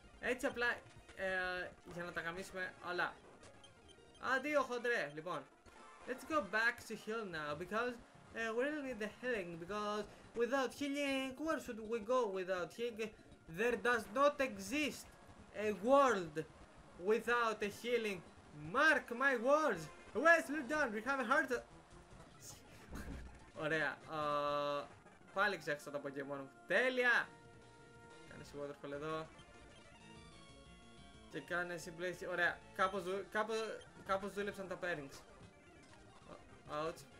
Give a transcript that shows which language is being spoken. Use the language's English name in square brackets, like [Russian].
[Greek] Έτσι απλά για να τα γαμίσουμε όλα. Αντίο χοντρέ, λοιπόν. [English] Let's go back to heal now, because we really need the healing, because without healing, where should we go without healing? There does not exist a world without a healing. Mark my words. Wes, look down, we have a heart. [Greek] Ωραία, πάλι ξέχασα το Pokémon μου. Τέλεια! Κάνε εσύ Waterfall εδώ. Και κάνε εσύ Blaze. Ωραία, κάπως δούλεψαν τα pairings. Ouch.